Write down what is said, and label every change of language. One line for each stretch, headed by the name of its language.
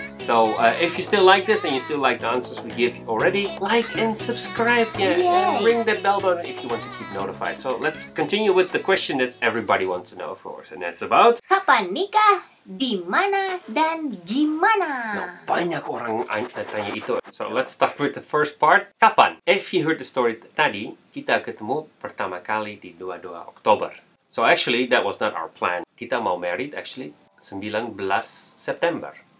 English: So, if you still like this and you still like the answers we give already, like and subscribe. Yeah, and ring the bell button if you want to keep notified. So, let's continue with the question that everybody wants to know, of course. And that's about...
Indonesian: Kapan nikah? Di mana dan gimana? No, banyak orang tanya itu.
English: So let's start with the first part. Kapan? If you heard the story tadi,
Indonesian: kita ketemu pertama kali di 22 Oktober.
English: So actually, that was not our plan.
Indonesian: Kita mau
English: married actually 19 September.